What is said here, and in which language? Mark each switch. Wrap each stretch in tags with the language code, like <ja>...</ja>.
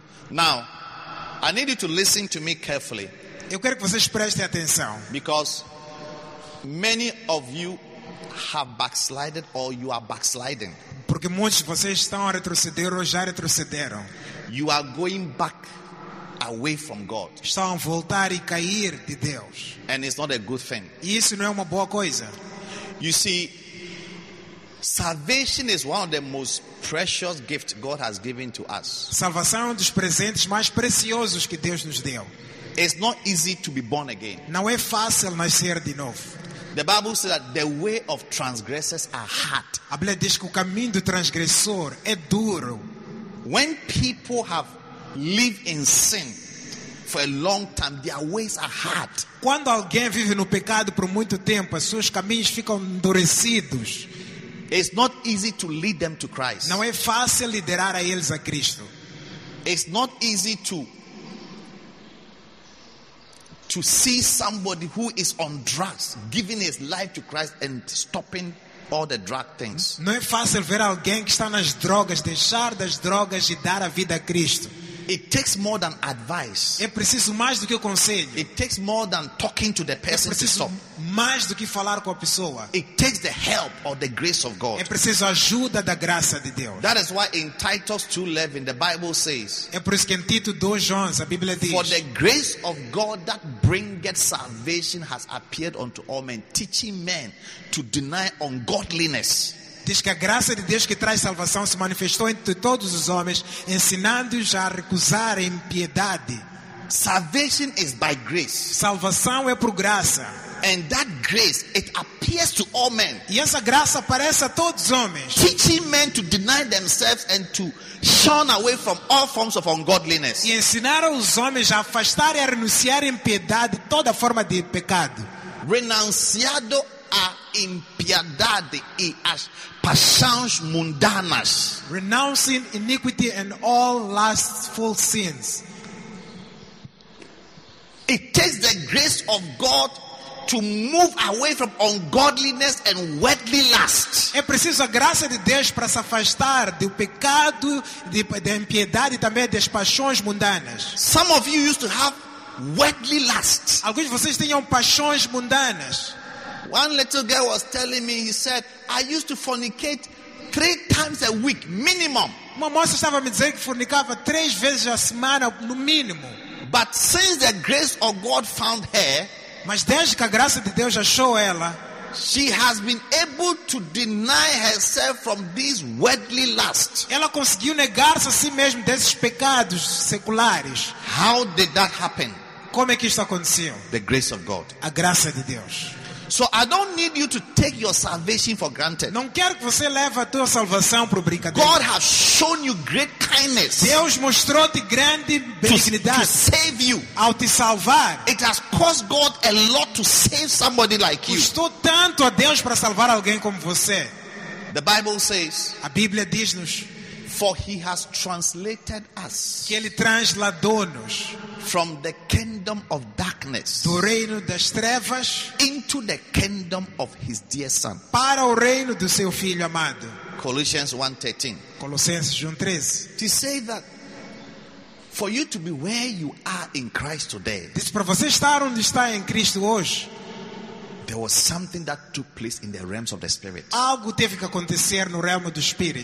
<en>Now, I need you to listen to me carefully.</en> <pt>Eu quero que vocês prestem atenção.</pt> <en>Because many of you have backslided or you are backsliding.</en> <pt>Porque muitos de vocês estão a retroceder ou já retrocederam.</pt> <en>You are going back away from God.</en> <pt>Estão a voltar e cair de Deus.</pt> <en>And it's not a good thing.</en> <pt>Isso não é uma boa coisa.</pt> <en>You see, salvation is one of the most precious gifts God has given to us.</en> <pt>Salvação é um dos presentes mais preciosos que Deus nos deu.</pt> <en>It's not easy to be born again.</en> <pt>Não é fácil nascer de novo.</pt> <en>The Bible says that the way of transgressors are hard.</en> <pt>A Bíblia diz que o caminho do transgressor é duro.</pt> <en>When people have lived in sin for a long time, their ways are hard.</en> <pt>Quando alguém vive no pecado por muito tempo, os seus caminhos ficam endurecidos.</pt> <en>It's not easy to lead them to Christ.</en> <pt>Não é fácil liderar a eles a Cristo.</pt> <en>It's not easy to see somebody who is on drugs giving his life to Christ and stopping all the drug things.</en> <pt>Não é fácil ver alguém que está nas drogas, deixar das drogas e dar a vida a Cristo.</pt> <en>It takes more than advice.</en> <pt>É preciso mais do que o conselho.</pt> <en>It takes more than talking to the person to stop.</en> <pt>Mais do que falar com a pessoa.</pt> <en>It takes the help or the grace of God.</en> <pt>É preciso ajuda da graça de Deus.</pt> <en>That is why in Titus 2:11 the Bible says.</en> <pt>É por isso que em Tito 2:11 a Bíblia diz.</pt> <en>For the grace of God that bringeth salvation has appeared unto all men, teaching men to deny ungodliness.</en> <pt>Diz que a graça de Deus que traz salvação se manifestou entre todos os homens, ensinando-os a recusar a impiedade.</pt> <en>Salvation is by grace.</en> <pt>Salvação é por graça.</pt> <en>And that grace, it appears to all men.</en> <pt>E essa graça aparece a todos os homens.</pt> <en>Teaching men to deny themselves and to shun away from all forms of ungodliness.</en> <pt>E ensinar os homens a afastar e a renunciar à impiedade, toda forma de pecado. Renunciado a impiedade e as paixões mundanas.</pt> <en>Renouncing iniquity and all lustful sins. It takes the grace of God to move away from ungodliness and worldly lust.</en> <pt>É preciso a graça de Deus para se afastar do pecado, da impiedade e também das paixões mundanas.</pt> <en>Some of you used to have worldly lust.</en> <pt>Alguns de vocês tinham paixões mundanas.</pt> <en>One little girl was telling me, he said, I used to fornicate 3 times a week, minimum.</en> <pt>Uma moça estava me dizendo que fornicava 3 vezes a semana, no mínimo.</pt> <en>But since the grace of God found her,</en> <pt>mas desde que a graça de Deus achou ela,</pt> <en>she has been able to deny herself from these worldly lusts.</en> <pt>Ela conseguiu negar-se a si mesma desses pecados seculares.</pt> <en>How did that happen?</en> <pt>Como é que isso aconteceu?</pt> <en>The grace of God.</en> <pt>A graça de Deus.</pt> <en>So I don't need you to take your salvation for granted.</en> <pt>Não quero que você leve a tua salvação por brincadeira.</pt> <en>God has shown you great kindness.</en> <pt>Deus mostrou-te grande benignidade.</pt> <en>To save you.</en> <pt>Ao te salvar.</pt> <en>It has cost God a lot to save somebody like you.</en> <pt>Custou tanto a Deus para salvar alguém como você.</pt> <en>The Bible says.</en> <pt>A Bíblia diz-nos.</pt> <en>For he has translated us.</en> <pt>Que ele transladou-nos.</pt> <en>From the kingdom of darkness.</en> <pt>Do reino das trevas.</pt> <en>Into the kingdom of his dear son.</en> <pt>Para o reino do seu filho amado.</pt> <en>Colossians 1:13.</en> <pt>Colossenses 1:13.</pt> <en>To say that. For you to be where you are in Christ today.</en> <pt>Diz para você estar onde está em Cristo hoje.</pt> <en>There was something that took place in the realms of the spirit.</en> <pt>Algo teve que acontecer no reino do espírito.</pt>